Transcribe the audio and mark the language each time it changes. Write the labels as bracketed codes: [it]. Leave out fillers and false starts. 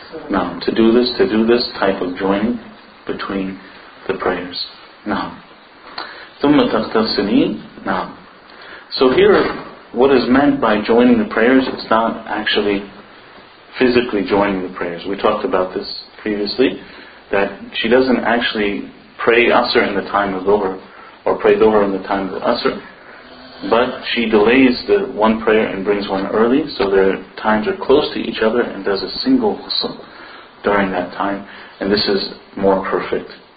[en] Now, to do this type of joining between the prayers. Now, [ar] ثُمَّ تَغْتَسِلِينَ. [en] Now, so here, what is meant by joining the prayers, it's not actually physically joining the prayers. We talked about this previously, that she doesn't actually pray Asr in the time of Dhuhr, or pray Dhuhr in the time of Asr, but she delays the one prayer and brings one early, so their times are close to each other, and does a single ghusl during that time, and this is more perfect.